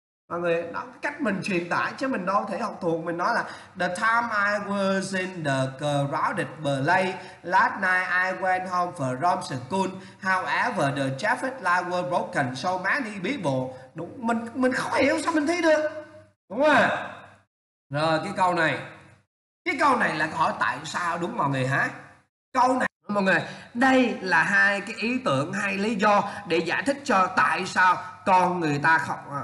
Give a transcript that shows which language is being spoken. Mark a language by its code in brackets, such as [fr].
[vi] Mọi người, đó, cách mình truyền tải chứ mình đâu thể học thuộc. [en] Mình nói là the time I was in the crowded place last night I went home from school. However, the traffic light was broken so many people. [vi] Đúng, mình không hiểu sao mình thi được. Đúng rồi. Rồi cái câu này là hỏi tại sao, đúng mọi người hả? Câu này mọi người, đây là hai cái ý tưởng, hai lý do để giải thích cho tại sao con người ta không